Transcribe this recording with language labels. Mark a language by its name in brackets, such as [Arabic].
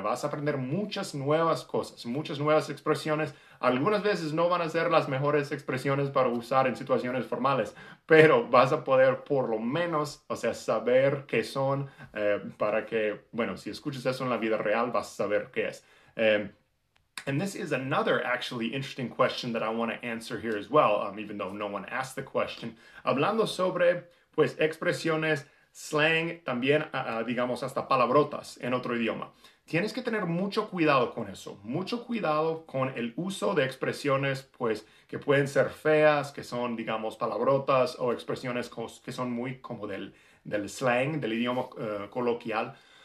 [Spanish] Vas a aprender muchas nuevas cosas, muchas nuevas expresiones. Algunas veces no van a ser las mejores expresiones para usar en situaciones formales, pero vas a poder por lo menos, o sea, saber qué son para que, bueno, si escuchas eso en la vida real, vas a saber qué es. [English] And this is another actually interesting question that I want to answer here as well, even though no one asked the question. [Spanish] Hablando sobre, pues, expresiones, slang, también, digamos, hasta palabrotas en otro idioma. Tienes que tener mucho cuidado con eso. Mucho cuidado con el uso de expresiones, pues, que pueden ser feas, que son, digamos, palabrotas o expresiones que son muy como del slang, del idioma coloquial.